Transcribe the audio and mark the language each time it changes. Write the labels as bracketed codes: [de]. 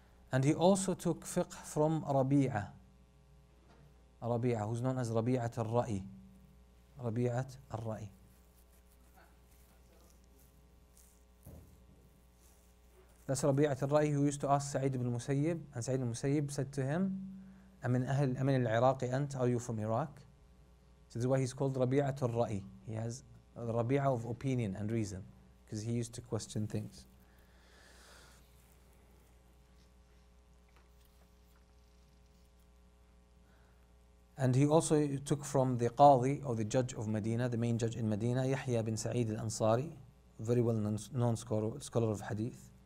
[en] And he also took fiqh from Rabi'a, who's known as Rabi'at al-Ra'i. Rabi'at al-Ra'i. That's Rabi'at al-Ra'i, who used to ask Sa'id ibn Musayyib, and Sa'id ibn Musayyib said to him, [ar] أمن العراقي أنت؟ [en] Are you from Iraq? So this is why he's called Rabia al Ra'y. He has Rabia of opinion and reason, because he used to question things. And he also took from the Qadi, or the judge of Medina, the main judge in Medina, Yahya bin Sa'id al-Ansari, very well known scholar of Hadith.